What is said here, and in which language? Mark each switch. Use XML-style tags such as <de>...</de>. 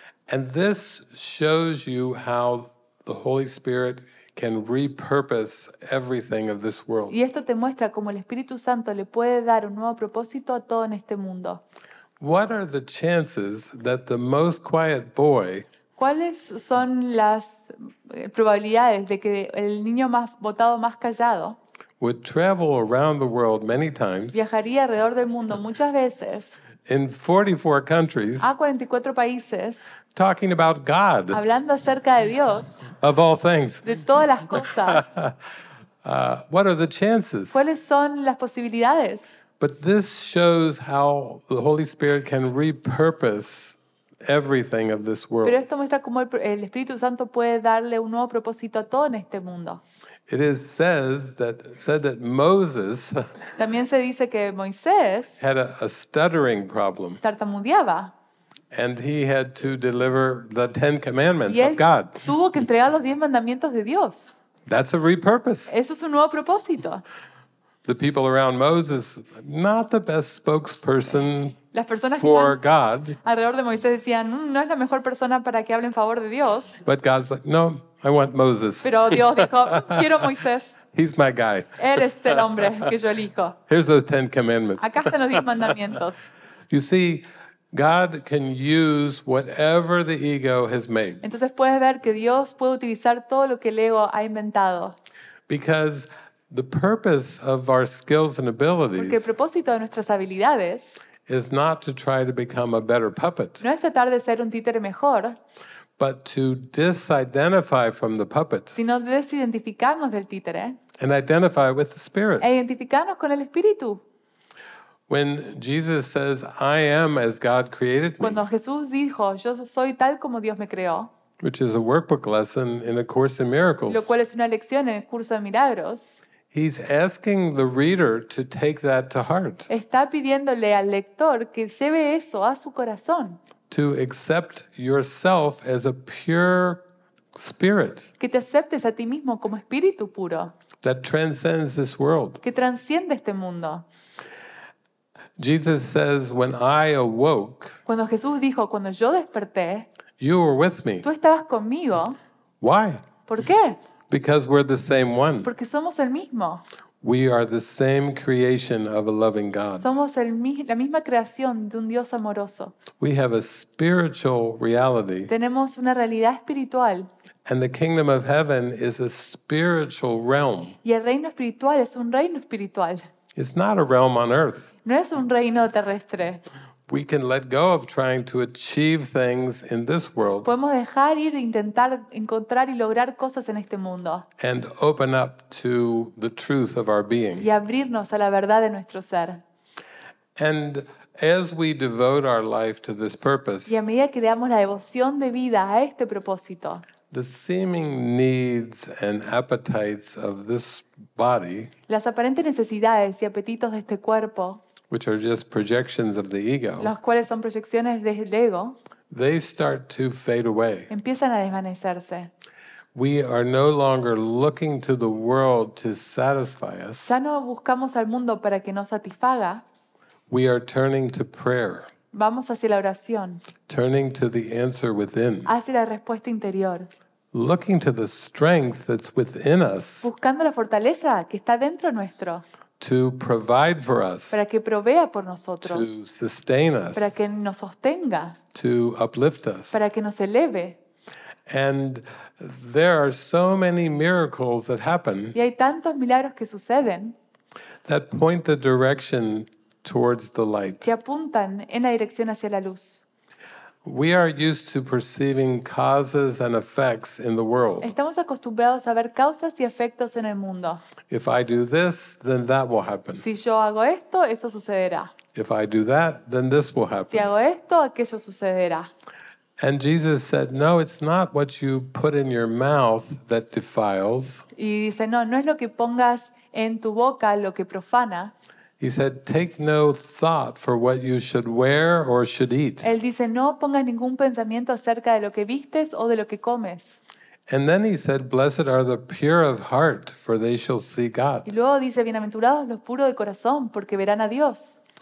<en>And this shows you how the Holy Spirit can repurpose everything of this world.</en> <es>Y esto te muestra cómo el Espíritu Santo le puede dar un nuevo propósito a todo en este mundo.</es> <en>What are the chances that the most quiet boy?</en> <es>¿Cuáles son las probabilidades de que el niño más votado más callado</es> <en>would travel around the world many times?</en> <es>Viajaría alrededor del mundo muchas veces.</es> <en>In 44 countries.</en> <es>A 44 países.</es> <en>Talking about God.</en> <es>Hablando acerca de Dios.</es> <en>Of all things.</en> <es>De todas las cosas.</es> <en>What are the chances?</en> <es>¿Cuáles son las posibilidades?</es> <en>But this shows how the Holy Spirit can repurpose everything of this world.</en> <es>Pero esto muestra cómo el Espíritu Santo puede darle un nuevo propósito a todo en este mundo.</es> <en>It is said that Moses.</en> <es>También se dice que Moisés</es> <en>had a stuttering problem.</en> <es>Tartamudeaba.</es> <en>And he had to deliver the Ten Commandments of God.</en> <es>Y él tuvo que entregar los 10 mandamientos de Dios.</es> <en>That's a repurpose.</en> <es>Eso es un nuevo propósito.</es> <en>The people around Moses, not the best spokesperson</en> <es>las personas</es> <en>for God.</en> <es>Alrededor de Moisés decían, no es la mejor persona para que hable en favor de Dios.</es> <en>But God's like, no, I want Moses.</en> <es>Pero Dios dijo, quiero Moisés.</es> <en>He's my guy.</en> <es>Él es el hombre que yo elijo.</es> <en>Here's those Ten Commandments.</en> <es>Acá están los 10 mandamientos.</es> <en>You see, God can use whatever the ego has made.</en> <es>Entonces puedes ver que Dios puede utilizar todo lo que el ego ha inventado.</es> <en>Because the purpose of our skills and abilities.</en> <es>Porque el propósito de nuestras habilidades</es> <en>is not to try to become a better puppet.</en> <es>No es tratar de ser un títere mejor.</es> <en>But to disidentify from the puppet.</en> <es>Sino desidentificarnos del títere.</es> <en>And identify with the spirit.</en> <es>E identificarnos con el espíritu.</es> <en>When Jesus says, "I am as God created me."</en> <es>Cuando Jesús dijo, "Yo soy tal como Dios me creó."</es> <en>Which is a workbook lesson in A Course in Miracles.</en> <es>Lo cual es una lección en el curso de milagros.</es> <en>He's asking the reader to take that to heart.</en> <es>Está pidiéndole al lector que lleve eso a su corazón.</es> <en>To accept yourself as a pure spirit.</en> <es>Que te aceptes a ti mismo como espíritu puro.</es> <en>That transcends this world.</en> <es>Que transciende este mundo.</es> <en>Jesus says, "When I awoke."</en> <es>Cuando Jesús dijo, cuando yo desperté.</es> <en>You were with me.</en> <es>Tú estabas conmigo.</es> <en>Why?</en> <es>¿Por qué?</es> <en>Because we're the same one.</en> <es>Porque somos el mismo.</es> <en>We are the same creation of a loving God.</en> <es>Somos la misma creación de un Dios amoroso.</es> <en>We have a spiritual reality.</en> <es>Tenemos una realidad espiritual.</es> <en>And the kingdom of heaven is a spiritual realm.</en> <es>Y el reino espiritual es un reino espiritual.</es> <en>It's not a realm on earth.</en> <es>No es un reino terrestre.</es> <en>We can let go of trying to achieve things in this world.</en> <es>Podemos dejar ir e intentar encontrar y lograr cosas en este mundo.</es> <en>And open up to the truth of our being.</en> <es>Y abrirnos a la verdad de nuestro ser.</es> <en>And as we devote our life to this purpose.</en> <es>Y a medida que damos la devoción de vida a este propósito.</es> <en>The seeming needs and appetites of this body.</en> <es>Las aparentes necesidades y apetitos de este cuerpo.</es> <en>Which are just projections of the ego.</en> <es>Las cuales son proyecciones del ego.</es> <en>They start to fade away.</en> <es>Empiezan a desvanecerse.</es> <en>We are no longer looking to the world to satisfy us.</en> <es>Ya no buscamos al mundo para que nos satisfaga.</es> <en>We are turning to prayer.</en> <es>Vamos hacia la oración.</es> <en>Turning to the answer within.</en> <es>Hacia la respuesta interior.</es> <en>Looking to the strength that's within us.</en> <es>Buscando la fortaleza que está dentro nuestro.</es> <en>To provide for us,</en> <es>para que provea por nosotros,</es> <en>to sustain us,</en> <es>para que nos sostenga,</es> <en>to uplift us,</en> <es>para que nos eleve.</es> <en>And there are so many miracles that happen,</en> <es>y hay tantos milagros que suceden,</es> <en>that point the direction towards the light,</en> <es>que apuntan en la dirección hacia la luz.</es> <en>We are used to perceiving causes and effects in the world.</en> <es>Estamos acostumbrados a ver causas y efectos en el mundo.</es> <en>If I do this, then that will happen.</en> <es>Si yo hago esto, eso sucederá.</es> <en>If I do that, then this will happen.</en> <es>Si hago esto, aquello sucederá.</es> <en>And Jesus said, "No, it's not what you put in your mouth that defiles."</en> <es>Y dice, "No, no es lo que pongas en tu boca lo que profana."</es> <en>He said, "Take no thought for what you should wear or should eat."</en> <es>Él dice, "No pongas ningún pensamiento acerca de lo que vistes o de lo que comes."</es> <en>And then he said, "Blessed are the pure of heart, for they shall see God."</en> <es>Y luego dice, "Bienaventurados los puros de corazón, porque verán a Dios."</es>